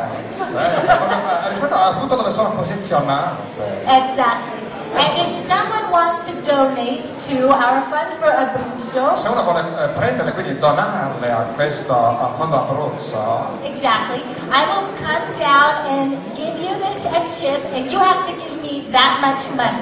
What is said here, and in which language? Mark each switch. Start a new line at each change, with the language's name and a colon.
Italian: Sono veramente rispetto al punto dove sono posizionate.
English: Exactly. And if someone wants to donate to our fund for Abruzzo,
Italian: se uno vuole prenderle, quindi donarle a questo a fondo Abruzzo,
English: exactly, I will come down and give you this a chip, and you have to give me that much money.